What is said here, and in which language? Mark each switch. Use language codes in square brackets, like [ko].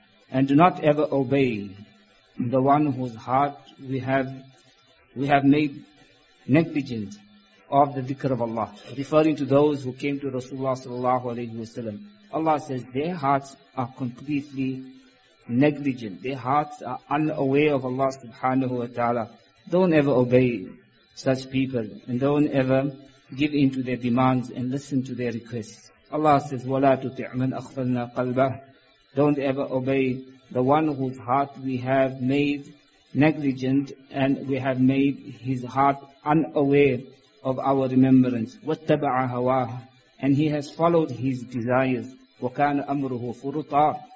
[en] And do not ever obey the one whose heart we have made negligent of the dhikr of Allah, referring to those who came to Rasulullah sallallahu alayhi wa sallam. Allah says their hearts are completely negligent. Their hearts are unaware of Allah subhanahu wa ta'ala. Don't ever obey such people and don't ever give in to their demands and listen to their requests. Allah says, [ar] وَلَا تُطِعْ مَنْ أَخْفَلْنَا قَلْبَهُ. [en] Don't ever obey the one whose heart we have made negligent and we have made his heart unaware of our remembrance. [ar] وَاتَّبَعَ هَوَاهُ. [en] And he has followed his desires. [ar] وَكَانَ أَمْرُهُ فُرُطًا.